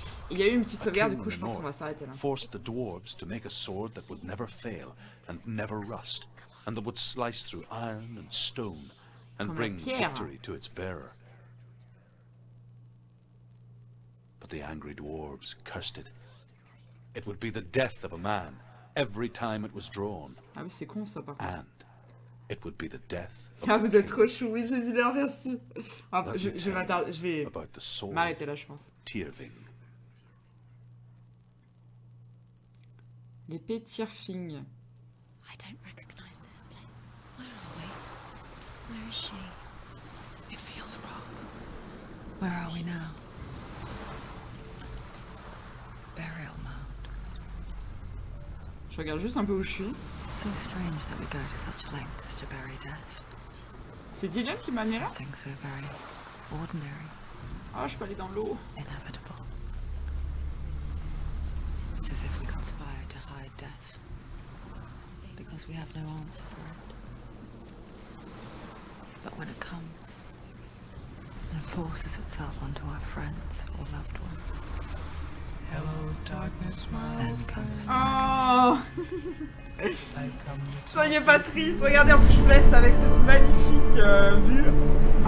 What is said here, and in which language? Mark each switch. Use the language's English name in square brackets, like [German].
[French] Il y a eu une petite sauvegarde, du coup je pense qu'on va s'arrêter là. [English] Forced the dwarves to make a sword that would never fail and never rust and that would slice through iron and stone and bring victory to its bearer. But the angry dwarves cursed it. It would be the death of a man. Every time it was drawn. [French] Ah oui, c'est con ça, par contre. [English] And it would be the death. [French] Ah, vous êtes trop chou, oui, j'ai vu l'air, merci. Ah, je vais m'attarder, je vais m'arrêter là, je pense. [English] Tyrfing. [French] L'épée Tyrfing. [English] I don't recognize this place. Where are we? Where is she? It feels wrong. Where are we now? burial mound. [French] Je regarde juste un peu où je suis. [English] So strange that we go to such lengths to bury death. [French] C'est Dylan qui m'a mis là. [English] Something so very ordinary. [French] Ah, je peux aller dans l'eau. [English] Inevitable. It's as if we conspire to hide death because we have no answer for it. But when it comes and forces itself onto our friends or loved ones. Hello, darkness, my old friend. [French] Oh! Soyez pas triste, regardez, en plus je vous laisse avec cette magnifique vue.